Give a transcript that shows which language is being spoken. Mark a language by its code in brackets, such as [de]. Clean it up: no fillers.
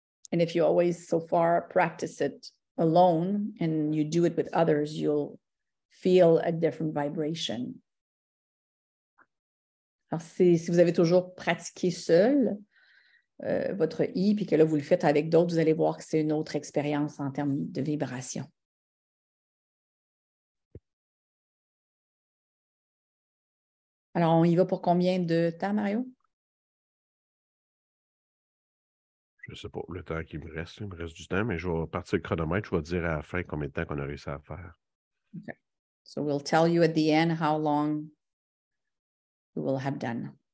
[en] And if you always so far practice it alone and you do it with others, you'll feel a different vibration. [fr] Alors si vous avez toujours pratiqué seul, votre I, puis que là, vous le faites avec d'autres, vous allez voir que c'est une autre expérience en termes de vibration. Alors, on y va pour combien de temps, Mario? Je ne sais pas le temps qu'il me reste. Il me reste du temps, mais je vais partir le chronomètre. Je vais dire à la fin combien de temps qu'on a réussi à faire. [en] Okay. So, we'll tell you at the end how long we will have done.